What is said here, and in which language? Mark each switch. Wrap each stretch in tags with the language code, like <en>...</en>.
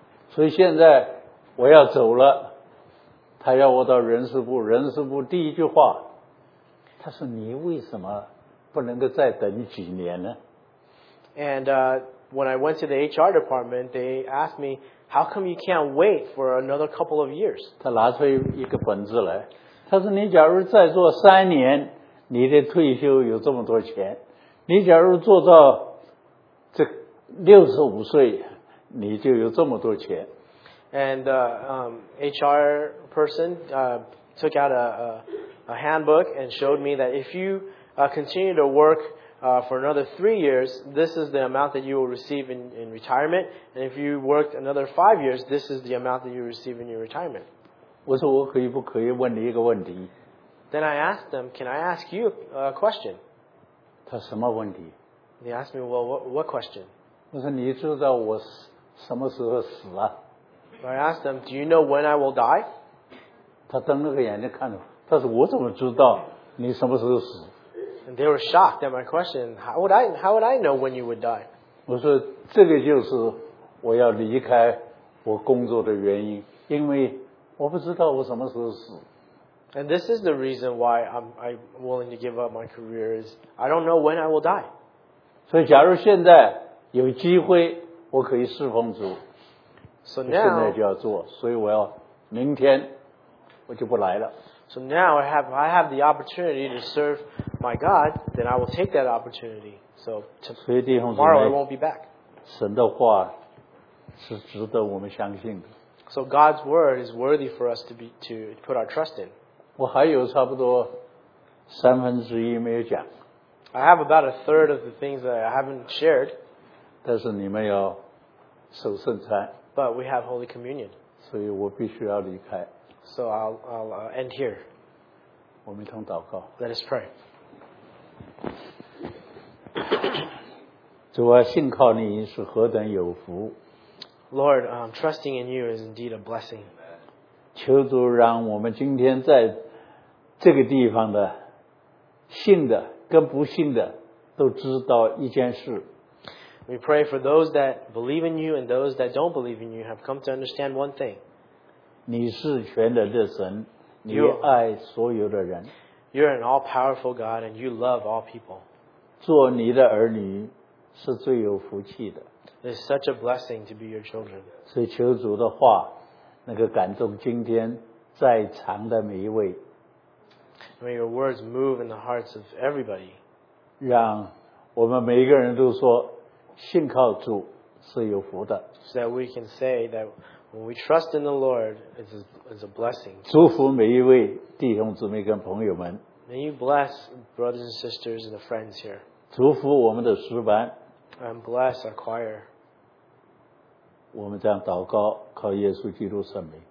<zh>所以现在我要走了，他要我到人事部，人事部第一句话，他说你为什么不能够再等几年呢？</zh> <en>And when I went to the HR department, they asked me, how come you can't wait for another couple of years?</en> <zh>他拿出一个本子来，他说你假如再做三年，你的退休有这么多钱，你假如做到这65岁，你就有这么多钱。</zh> <en>And HR person took out a handbook and showed me that if you continue to work for another 3 years, this is the amount that you will receive in retirement, and if you worked another 5 years, this is the amount that you receive in your retirement.</en> <zh>我说我可以不可以问你一个问题？</zh> <en>Then I asked them, can I ask you a question?</en> <zh>他什么问题？</zh> <en>They asked me, well, what question?</en> <zh>我说你知道我什么时候死了？</zh> <en>I asked them, do you know when I will die?</en> <zh>他瞪了个眼睛看着，他说我怎么知道你什么时候死？</zh> <en>And they were shocked at my question. How would I know when you would die?</en> <zh>我说这个就是我要离开我工作的原因，因为我不知道我什么时候死。</zh> <en>And this is the reason why I'm willing to give up my career is I don't know when I will die.</en> <zh>所以假如现在有机会，我可以侍奉主。</zh> <en>So now,</en> <zh>现在就要做，所以我要明天我就不来了。</zh> <en>So now I have the opportunity to serve. My God, then I will take that opportunity. So tomorrow I won't be back.</en> <zh>神的话是值得我们相信的。</zh> <en>So God's word is worthy for us to put our trust in.</en> <zh>我还有差不多三分之一没有讲。</zh> <en>I have about a third of the things that I haven't shared.</en> <zh>但是你们要守圣餐。</zh> <en>But we have Holy Communion.</en> <zh>所以我必须要离开。</zh> <en>So I'll end here.</en> <zh>我们一同祷告。</zh> <en>Let us pray.</en> <zh>主啊，信靠你是何等有福。</zh> <en>Lord, trusting in you is indeed a blessing.</en> <zh>求主让我们今天在这个地方的信的跟不信的都知道一件事。</zh> <en>We pray for those that believe in you and those that don't believe in you have come to understand one thing.</en> <zh>你是全能的神，你爱所有的人。</zh> <en>You're an all-powerful God and you love all people.</en> <zh>做你的儿女是最有福气的。</zh> <en>It's such a blessing to be your children.</en> <zh>所以求主的话能够感动今天在场的每一位。</zh> <en>May your words move in the hearts of everybody.</en> <zh>让我们每一个人都说信靠主是有福的。</zh> <en>So that we can say that when we trust in the Lord, it's a blessing.</en> <zh>祝福每一位弟兄姊妹跟朋友们。</zh> <en>May you bless brothers and sisters and the friends here.</en> <zh>祝福我们的诗班。</zh> <en>And bless our choir.</en> <zh>我们这样祷告，靠耶稣基督圣名。</zh>